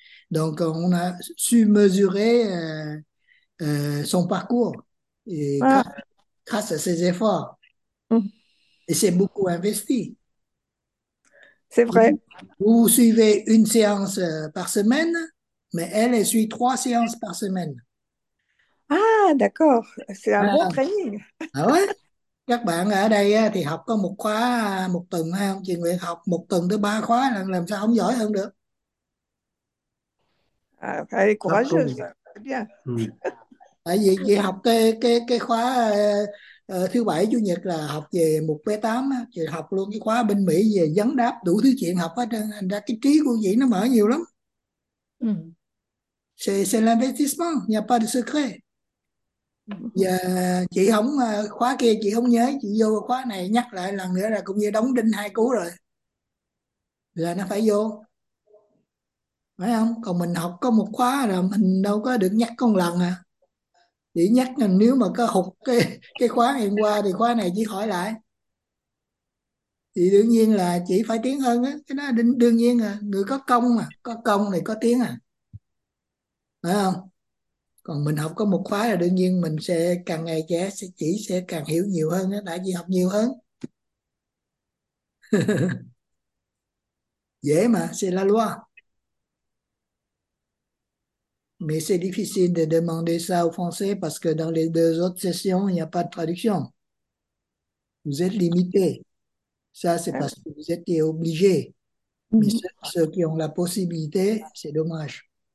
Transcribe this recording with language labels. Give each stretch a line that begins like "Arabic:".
French: Donc, on a su mesurer son parcours et grâce à ses efforts. Et c'est beaucoup investi. C'est Vous vrai. suivez une séance par semaine, mais elle, elle suit trois séances par semaine. Ah, d'accord. C'est un Ah. bon training. Ah ouais?
Vietnamese: Các bạn ở đây thì học có một khóa một tuần hay không? Chị Nguyễn học một tuần tới ba khóa là làm sao không giỏi hơn được.
French: À, elle est
Vietnamese: Học
French: courageuse. Bien.
Vietnamese: tại vì chị học cái khóa thứ bảy chủ nhật là học về một bé tám, chị học luôn cái khóa bên Mỹ về vấn đáp đủ thứ chuyện học hết trơn, thành ra cái trí của chị nó mở nhiều lắm.
French: C'est l'investissement, n'y a pas de secret.
Vietnamese: Giờ chị không khóa kia chị không nhớ, chị vô khóa này nhắc lại lần nữa là cũng như đóng đinh hai cú rồi, là nó phải vô, phải không? Còn mình học có một khóa rồi mình đâu có được nhắc con lần à, chỉ nhắc là nếu mà có hụt cái khóa ngày hôm qua thì khóa này chỉ hỏi lại, thì đương nhiên là chỉ phải tiến hơn á, cái đó đương nhiên à, người có công mà, có công thì có tiến à, phải không? Còn mình học có một khóa là đương nhiên mình sẽ càng ngày trẻ sẽ chỉ sẽ càng hiểu nhiều hơn á, tại vì học nhiều hơn dễ mà,
French: c'est la loi. Mais c'est difficile de demander ça au français parce que dans les deux autres sessions, il n'y a pas de traduction. Vous êtes limité. Ça, c'est parce que vous étiez obligé. Mais ceux qui ont la possibilité, c'est dommage.